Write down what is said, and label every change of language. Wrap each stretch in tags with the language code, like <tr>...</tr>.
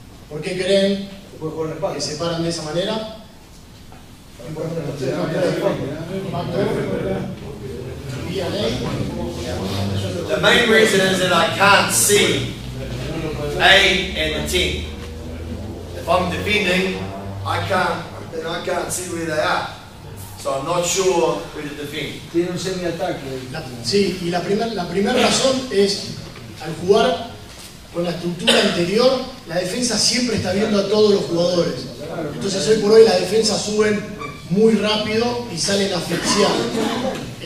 <es>¿Por qué creen que se paran de esa manera?</es> <en>The main reason is that I can't see A and the team. If I'm defending, I can't see where they are. So I'm not sure who to defend.</en> <es>Tiene un semiataque. Sí, y la primera razón es al jugar con la estructura anterior, la defensa siempre está viendo a todos los jugadores. Entonces hoy por hoy la defensa suben muy rápido y salen asfixiados.</es>